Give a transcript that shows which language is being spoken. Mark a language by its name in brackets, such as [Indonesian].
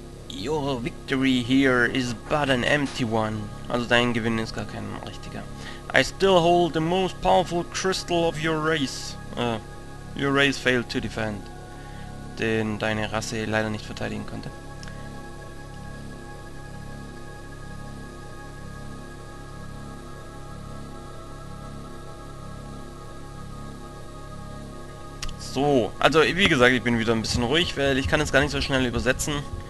[English] Your victory here is but an empty one. [German] Also dein Gewinn ist gar kein richtiger. [English] I still hold the most powerful crystal of your race. Your race failed to defend. [German] Den deine Rasse leider nicht verteidigen konnte. So, also wie gesagt, ich bin wieder ein bisschen ruhig, weil ich kann es gar nicht so schnell übersetzen.